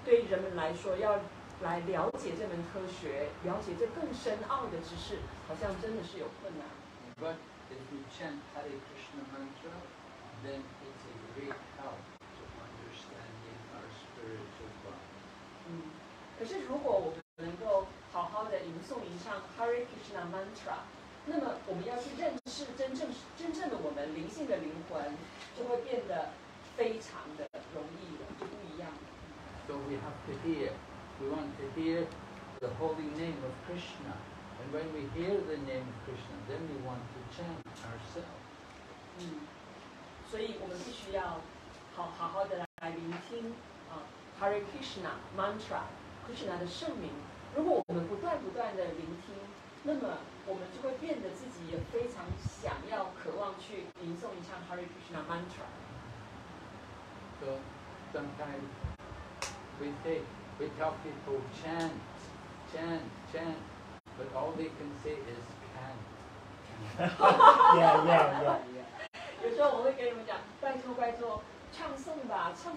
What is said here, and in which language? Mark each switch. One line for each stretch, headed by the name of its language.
Chinese: 人们来说，要来了解这门科学，了解这更深奥的知识，好像真的是有困难。
English: But if you chant Hare Krishna mantra, then it's a great help to understanding our spiritual body.
Chinese: 嗯，可是如果我们能够好好的吟诵一唱 Hare Krishna mantra。那么我们要去认识真正的我们灵性的灵魂，就会变得非常的容易了，就不一样了。
English: So we have to hear, we want to hear the holy name of Krishna, and when we hear the name of Krishna, then we want to chant ourselves.
Chinese: 嗯，所以我们必须要好好的来聆听啊 ，Hare Krishna mantra, Krishna 的圣名。如果我们不断的聆听，那么我们就会变得自己也非常想要渴望去吟诵一唱 Hare Krishna mantra.
English: So sometimes we tell people chant, but all they can say is can't. yeah.
Chinese: 有时候我会跟你们讲，拜托，唱诵吧。